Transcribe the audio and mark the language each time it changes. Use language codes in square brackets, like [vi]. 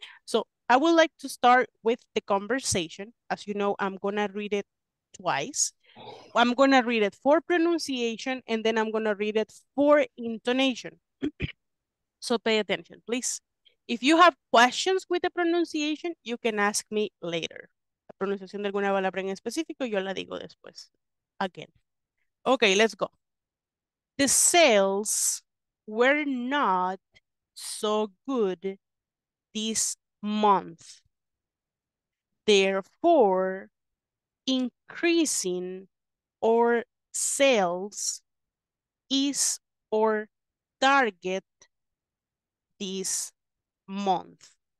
[en] So I would like to start with the conversation. As you know, I'm going to read it twice. I'm going to read it for pronunciation and then I'm going to read it for intonation. So pay attention, please. If you have questions with the pronunciation, you can ask me later. [es] La pronunciación de alguna palabra en específico, yo la digo después. [en] Again. Okay, let's go. The sales were not so good this month. Therefore, increasing our sales is our target this month.